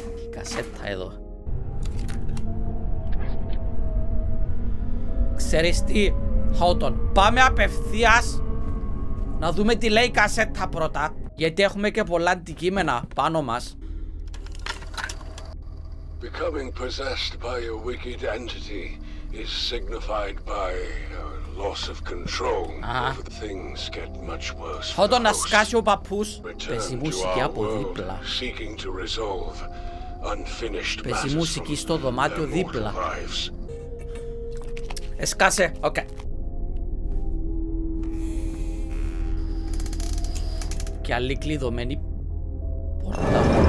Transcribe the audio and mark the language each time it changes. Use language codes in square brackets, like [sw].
[el] Κασέτα εδώ. Ξέρεις τι, Χόλτον, πάμε απευθείας να δούμε τι λέει η κασέτα πρώτα. Γιατί έχουμε και πολλά αντικείμενα πάνω μας. [en] Becoming possessed by a wicked entity is signified by a loss of control. Over things get much worse. [el] Χόλτον, να σκάσει ο παππούς. Παίζει μουσική από δίπλα. [en] Seeking to resolve unfinished matters. [el] Παίζει μουσική στο δωμάτιο δίπλα. Εσκάσε, οκ. Και άλλη κλειδωμένη πόρτα.